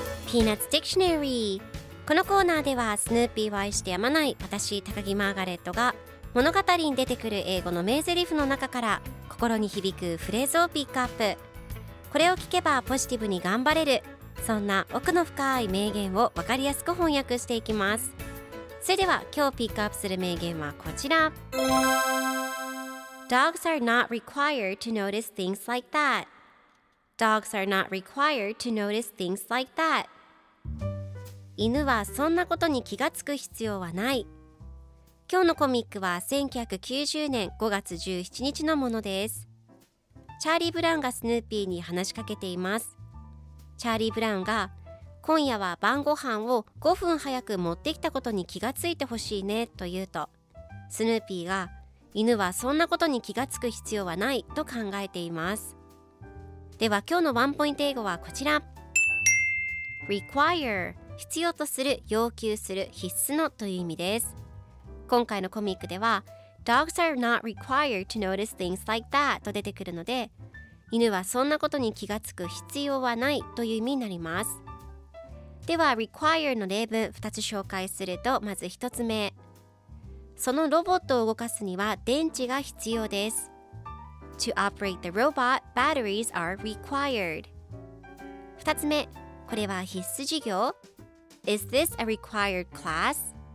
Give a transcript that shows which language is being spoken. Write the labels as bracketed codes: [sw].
[ja] ピーナッツ・ディクショナリー。このコーナーではスヌーピーを愛してやまない私高木マーガレットが物語に出てくる英語の名台詞の中から心に響くフレーズをピックアップ。これを聞けばポジティブに頑張れる、そんな奥の深い名言を分かりやすく翻訳していきます。それでは今日ピックアップする名言はこちら。 [en] Dogs are not required to notice things like that. Dogs are not required to notice things like that. [ja] 犬はそんなことに気がつく必要はない。今日のコミックは1990年5月17日のものです。チャーリー・ブラウンがスヌーピーに話しかけています。チャーリー・ブラウンが、今夜は晩ご飯を5分早く持ってきたことに気がついてほしいねと言うと、スヌーピーが、犬はそんなことに気がつく必要はないと考えています。では今日のワンポイント英語はこちら。require、 必要とする、要求する、必須のという意味です。今回のコミックでは [en] Dogs are not required to notice things like that [ja] と出てくるので、犬はそんなことに気がつく必要はないという意味になります。では require の例文2つ紹介すると、まず1つ目、そのロボットを動かすには電池が必要です。 [en] To operate the robot, batteries are required. [ja] 2つ目、これは必須授業。 [en] Is this a required class?